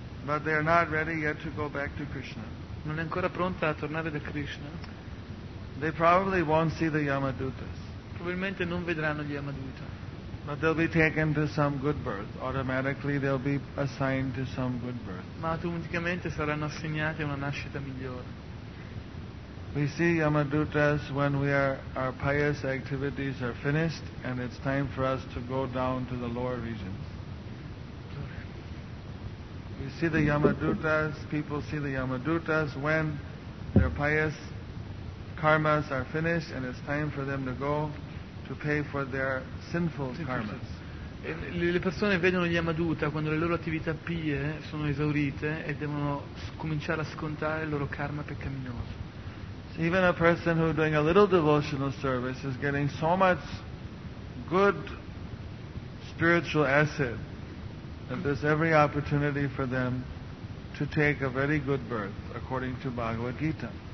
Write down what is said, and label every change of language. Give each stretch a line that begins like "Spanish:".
English: But they are not ready yet to go back to Krishna.
Italian: Non è ancora pronta a tornare da Krishna.
English: They probably won't see the Yamadutas.
Italian: Probabilmente non vedranno gli Yamaduta.
English: But they'll be taken to some good birth. Automatically they'll be assigned to some good birth.
Italian: Ma automaticamente saranno assegnati a una nascita migliore.
English: We see Yamadutas when we are, our pious activities are finished and it's time for us to go down to the lower regions. We see the Yamadutas, people see the Yamadutas when their pious karmas are finished and it's time for them to go to pay for their sinful karmas.
Italian: Le persone vedono gli Yamaduta quando le loro attività pie sono esaurite e devono cominciare a scontare il loro karma peccaminoso.
English: Even a person who is doing a little devotional service is getting so much good spiritual asset that there's every opportunity for them to take a very good birth, according to Bhagavad Gita.